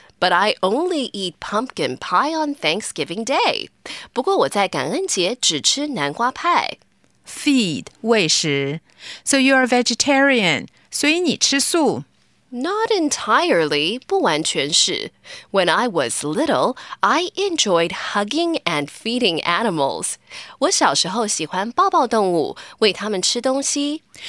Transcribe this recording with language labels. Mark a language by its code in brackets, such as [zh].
[en] But I only eat pumpkin pie on Thanksgiving Day. [zh] 不过我在感恩节只吃南瓜派。 [en] Feed, [zh] 喂食。 [en] So you're a vegetarian, [zh] 所以你吃素。 [en] Not entirely, [zh] 不完全是。 [en] When I was little, I enjoyed hugging and feeding animals. [zh] 我小时候喜欢抱抱动物，喂他们吃东西。